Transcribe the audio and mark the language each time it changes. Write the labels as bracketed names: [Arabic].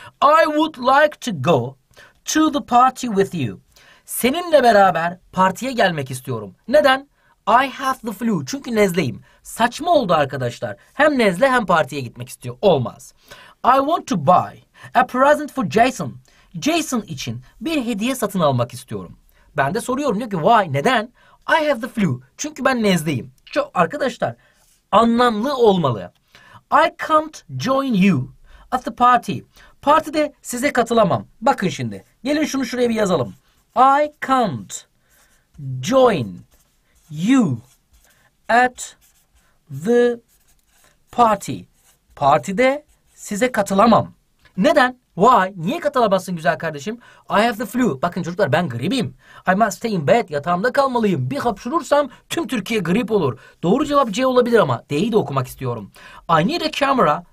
[English] I would like to go to the party with you. [Turkish] Seninle beraber partiye gelmek istiyorum. Neden? [English] I have the flu. [Turkish] Çünkü nezleyim. Saçma oldu arkadaşlar. Hem nezle hem partiye gitmek istiyor. Olmaz. [English] I want to buy a present for Jason. [Turkish] Jason için bir hediye satın almak istiyorum. Ben de soruyorum. Diyor ki, why? Neden? [English] I have the flu. [Turkish] Çünkü ben nezleyim. Çok arkadaşlar, anlamlı olmalı. [English] I can't join you at the party. [Turkish] Partide size katılamam. Bakın şimdi. Gelin şunu şuraya bir yazalım. [English] I can't join you at the party. [Turkish] Partide size katılamam. Neden? Why? Niye katılamazsın güzel kardeşim? [English] I have the flu. [Turkish] Bakın çocuklar, ben gribim. [English] I must stay in bed. [Turkish] Yatağımda kalmalıyım. Bir hapşurursam tüm Türkiye grip olur. Doğru cevap C olabilir ama D'yi de okumak istiyorum. [English] I need a camera